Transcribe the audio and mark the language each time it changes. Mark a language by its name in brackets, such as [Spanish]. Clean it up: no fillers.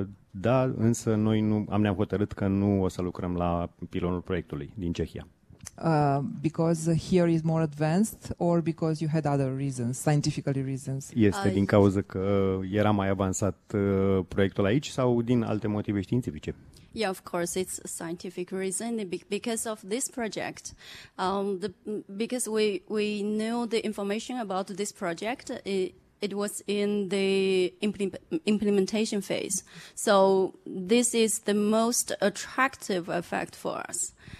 [Romanian] Da, însă noi ne-am hotărât că nu o să lucrăm la pilonul proiectului din Cehia. [English] Because here is more advanced or because you had other reasons, scientifically reasons? [Romanian] Este din cauza că era mai avansat proiectul aici sau din alte motive științifice? [English] Yeah, of course, it's a scientific reason because of this project. Because we knew the information about this project, it was in the implementation phase. So this is the most attractive effect for us.